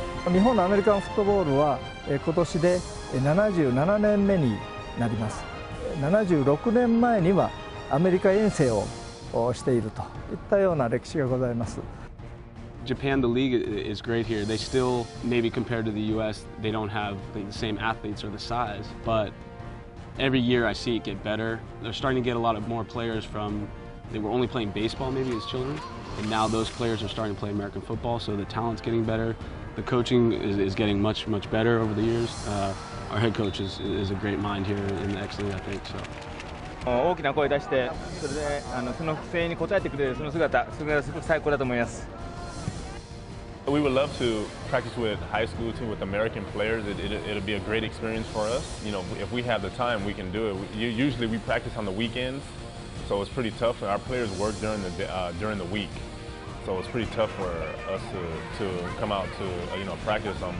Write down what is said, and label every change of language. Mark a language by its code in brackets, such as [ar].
[ja] 日本のアメリカンフットボールは今年で77年目になります。 76年前にはアメリカ遠征をしているといったような歴史がございます。 [en] Japan, the league is great here. They still, maybe compared to the U.S., they don't have the same athletes or the size, but every year I see it get better. They're starting to get a lot of more players from, they were only playing baseball maybe as children, and now those players are starting to play American football, so the talent's getting better. The coaching is getting much, much better over the years. Our head coach is a great mind here in the X-League, I think, so. [ja] 大きな声出して、それで、その声援に応えてくれるその姿、それがすごく最高だと思います。 [en] We would love to practice with high school team with American players. It'll be a great experience for us. You know, if we have the time, we can do it. Usually we practice on the weekends, so it's pretty tough. Our players work during the week, so it's pretty tough for us to come out to, you know, practice them.